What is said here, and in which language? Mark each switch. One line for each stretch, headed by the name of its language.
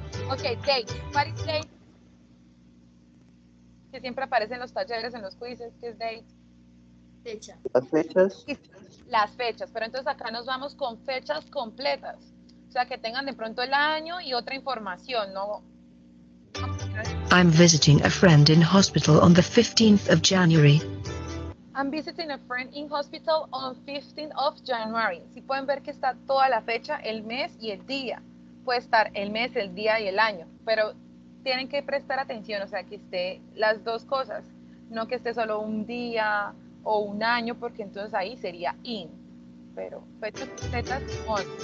English: Okay, dates. What is date?
Spanish: Que siempre aparece en los talleres, en los quizzes, ¿qué es date? Fecha. Las fechas. Las fechas, pero entonces acá nos vamos con fechas completas. O sea, que tengan de pronto el año y otra información, ¿no?
English: I'm visiting a friend in hospital on the 15th of January. I'm visiting a friend in hospital on 15th of January.
Spanish: Si pueden ver que está toda la fecha, el mes y el día. Puede estar el mes, el día y el año. Pero tienen que prestar atención, o sea, que esté las dos cosas. No que esté solo un día o un año, porque entonces ahí sería in. Pero fechas completas, on.